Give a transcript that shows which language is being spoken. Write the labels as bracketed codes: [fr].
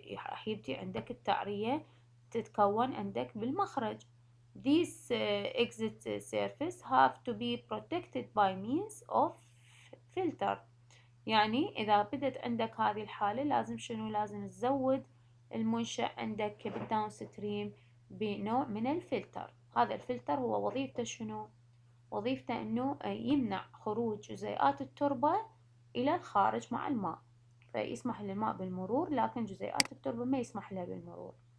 [ar] راح يبدي عندك التعرية تتكون عندك بالمخرج. [en] This exit surface have to be protected by means of filter. [ar] يعني إذا بدت عندك هذه الحالة لازم شنو؟ لازم تزود المنشأ عندك بالداون ستريم بنوع من الفلتر. هذا الفلتر هو وظيفته شنو؟ وظيفته إنه يمنع خروج جزيئات التربة إلى الخارج مع الماء، فيسمح للماء بالمرور لكن جزيئات التربة ما يسمح لها بالمرور.